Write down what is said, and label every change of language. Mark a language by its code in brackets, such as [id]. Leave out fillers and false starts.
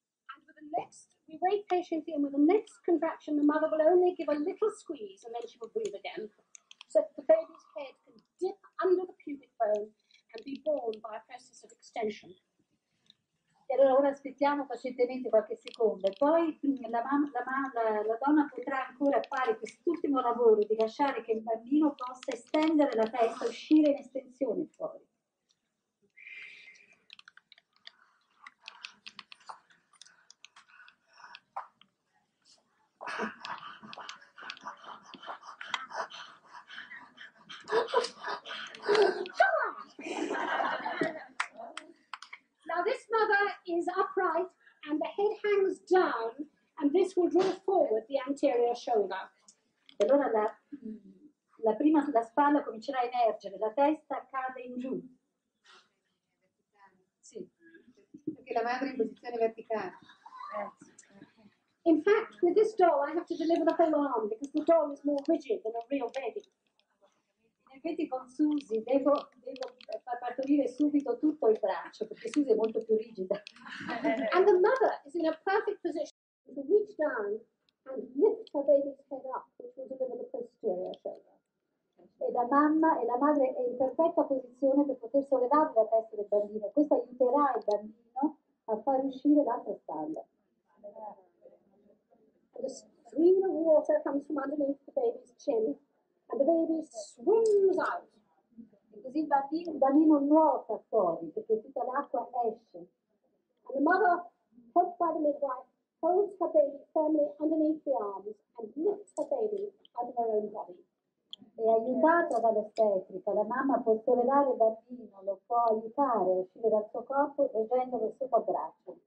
[en] And with the next contraction, the mother will only give a little squeeze and then she will breathe again, so that the baby's head can dip under the pubic bone and be born by a process of extension. [it] E allora ora aspettiamo pazientemente qualche secondo, e poi la donna potrà ancora fare quest'ultimo lavoro di lasciare che il bambino possa estendere la testa, uscire in estensione fuori. [en] Now this mother is upright and the head hangs down and this will draw forward the anterior shoulder. [it] E allora la spalla comincerà a emergere, la testa cade in giù. Sì, perché la madre è in posizione verticale. [en] In fact, with this doll I have to deliver the whole arm because the doll is more rigid than a real baby. [it] Infatti con Susie devo far partorire subito tutto il braccio perché Susie è molto più rigida. [en] And the mother is in a perfect position to reach down and lift her baby's head up, which will deliver the posterior shoulder. [it] E la mamma e la madre è in perfetta posizione per poter sollevare la testa del bambino. Questo aiuterà il bambino a far uscire l'altra spalla. [en] The stream of water comes from underneath the baby's chin. And the baby swims out. [it] E così il bambino nuota fuori perché tutta l'acqua esce. [en] And the mother, helped by the midwife, holds her baby firmly underneath the arms and lifts her baby out of her own body. [it] E aiutata dall'ostetrica, la mamma può sollevare il bambino, lo può aiutare a uscire dal suo corpo e prendere il suo braccio.